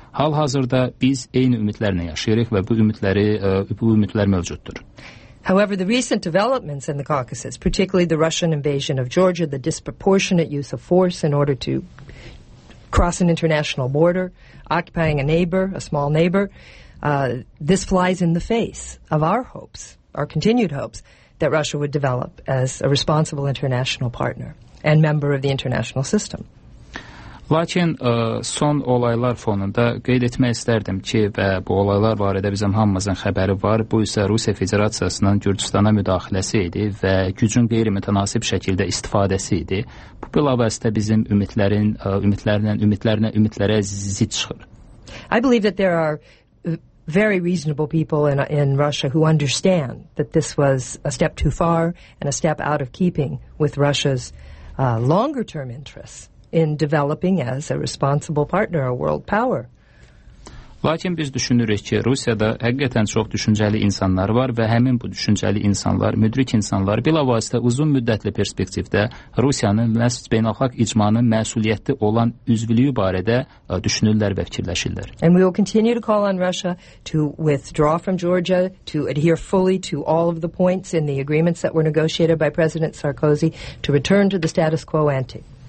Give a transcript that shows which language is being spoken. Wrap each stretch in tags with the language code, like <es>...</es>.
<az>Hal-hazırda biz eyni ümidlərlə yaşayırıq və bu ümidlər mövcuddur.</az> <en>However, the recent developments in the Caucasus, particularly the Russian invasion of Georgia, the disproportionate use of force in order to cross an international border, occupying a neighbor, a small neighbor, this flies in the face of our hopes, our continued hopes, that Russia would develop as a responsible international partner and member of the international system.</en> <az>Lakin son olaylar fonunda qeyd etmək istərdim ki, və bu olaylar barədə bizim hamımızın xəbəri var, bu isə Rusiya Federasiyasının Gürcüstana müdaxiləsi idi və gücün qeyri-mütənasib şəkildə istifadəsi idi. Bu bilavasitə bizim ümidlərə zid çıxır.</az> <en>I believe that there are very reasonable people in Russia who understand that this was a step too far and a step out of keeping with Russia's longer-term interests in developing as a responsible partner, a world power.</en> <az>Lakin biz düşünürük ki, Rusiyada həqiqətən çox düşüncəli insanlar var və həmin bu düşüncəli insanlar, müdrik insanlar bilavasitə uzun müddətli perspektivdə Rusiyanın məsul beynəlxalq icmanın məsuliyyətli olan üzvlüyü barədə düşünürlər və fikirləşirlər.</az> <en>And we will continue to call on Russia to withdraw from Georgia, to adhere fully to all of the points in the agreements that were negotiated by President Sarkozy, to return to the status quo ante.</en>